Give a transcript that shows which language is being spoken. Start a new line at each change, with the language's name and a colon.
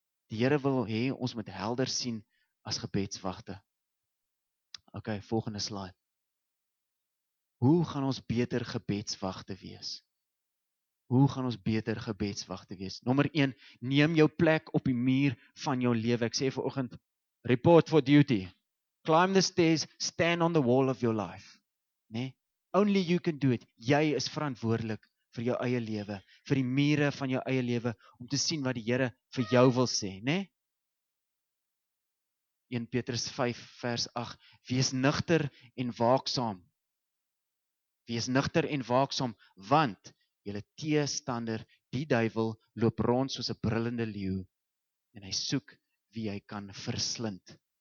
Afrikaans: Die Here wil hê ons moet helder sien as gebedswagte. OK, volgende slide. Hoe gaan ons beter gebedswagte wees? Hoe gaan ons beter gebedswagte wees? Nommer 1, neem jou plek op die muur van jou lewe. Ek sê vanoggend,
English: report for duty. Climb the stairs, stand on the wall of your life. Nee. Only you can do it.
Afrikaans: Jy is verantwoordelik vir jou eie lewe, vir die mure van jou eie lewe, om te sien wat die Here vir jou wil sê, nê? 1 Petrus 5 vers 8, wees nugter en waaksaam. Wees nugter en waaksaam, want julle teestander, die duivel, loop rond soos 'n brullende leeu en hy soek wie hy kan verslind.